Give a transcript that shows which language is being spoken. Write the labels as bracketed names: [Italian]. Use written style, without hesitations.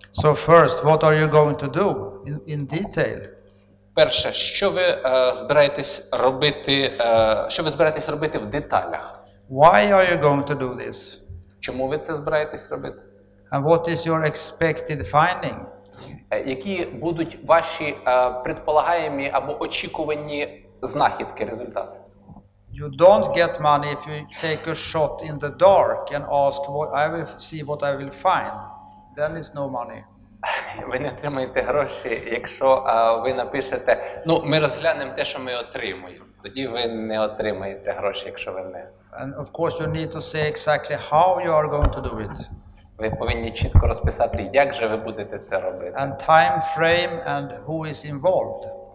[English] So first, what are you going to do in detail? [Ukrainian] Перше, що ви збираєтесь робити, що ви збираєтесь робити в деталях? [English] Why are you going to do this? [Ukrainian] Чому ви це збираєтесь робити? [English] And what is your expected finding? [Ukrainian] Які будуть ваші предполагаємі або очікувані знахідки, результати? [English] You don't get money if you take a shot in the dark and ask what I will see what I will find. Then it's no money. [Ukrainian] Ви не отримаєте гроші, якщо ви напишете, ну, ми розглянемо те, що ми отримуємо. Тоді ви не отримаєте гроші, якщо ви не. [English] And of course you need to say exactly how you are going to do it. [Ukrainian] Ви повинні чітко розписати, як же ви будете це робити. [English] And time frame and who is involved.